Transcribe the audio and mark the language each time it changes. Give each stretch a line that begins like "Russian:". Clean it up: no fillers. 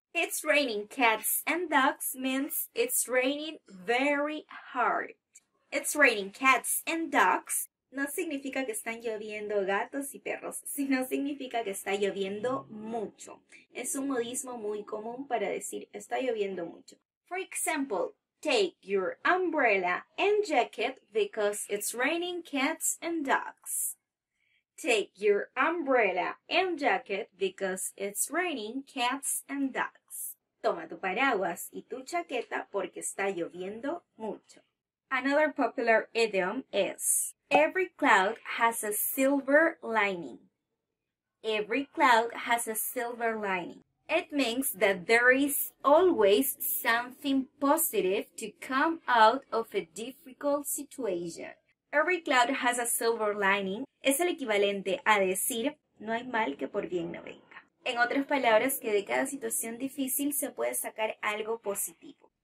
English: It's raining cats and dogs means it's raining very hard. It's raining cats and dogs.
Spanish: No significa que están lloviendo gatos y perros, sino significa que está lloviendo mucho. Es un modismo muy común para decir está lloviendo mucho.
English: For example, take your umbrella and jacket because it's raining cats and dogs. Take your umbrella and jacket because it's raining cats and dogs.
Spanish: Toma tu paraguas y tu chaqueta porque está lloviendo mucho.
English: Another popular idiom is, every cloud has a silver lining. Every cloud has a silver lining. It means that there is always something positive to come out of a difficult situation. Every cloud has a silver lining
Spanish: es el equivalente a decir no hay mal que por bien no venga. En otras palabras, que de cada situación difícil se puede sacar algo positivo.